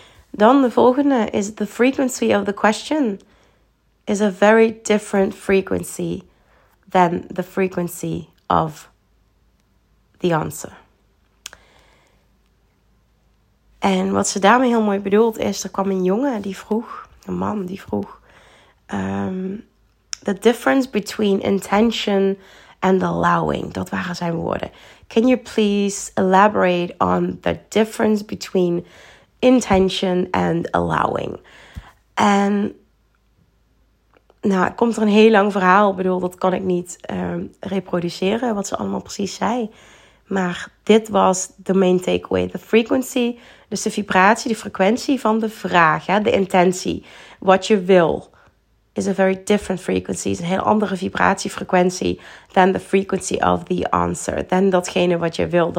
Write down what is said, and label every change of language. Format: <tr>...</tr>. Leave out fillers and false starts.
<nl>Dan de volgende is</nl> <en>the frequency of the question is a very different frequency than the frequency of the answer.</en> <nl>En wat ze daarmee heel mooi bedoelt is, er kwam een jongen die vroeg, een man die vroeg,</nl> <en>the difference between intention and allowing.</en> <nl>Dat waren zijn woorden.</nl> <en>Can you please elaborate on the difference between intention and allowing?</en> <nl>En nou, komt er een heel lang verhaal. Ik bedoel, dat kan ik niet reproduceren, wat ze allemaal precies zei. Maar dit was de main takeaway.</nl> <en>The frequency,</en> <nl>dus de vibratie, de frequentie van de vraag, hè, de intentie, wat je wil,</nl> <en>is a very different frequency,</en> <nl>is een heel andere vibratiefrequentie</nl> <en>than the frequency of the answer, than</en> <nl>datgene wat je wil.</nl>